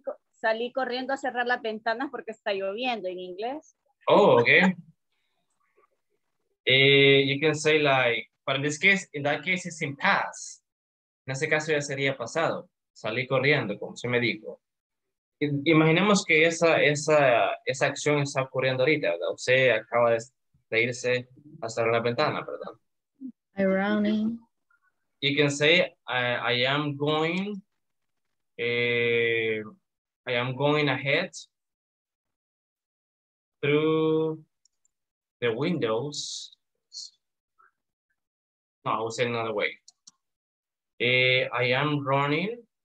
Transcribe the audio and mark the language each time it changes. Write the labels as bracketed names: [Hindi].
[Spanish] salí corriendo a cerrar las ventanas porque está lloviendo en inglés? [English] Oh, okay. you can say like, but in this case, in that case, it's in past. [Spanish] En ese caso ya sería pasado. Salí corriendo, como se me dijo. Imaginemos que esa acción está ocurriendo ahorita. ¿Verdad? Usted acaba de irse a cerrar la ventana, perdón. [English] I'm running. You can say, I am going ahead through the windows. No, I will say another way. I am running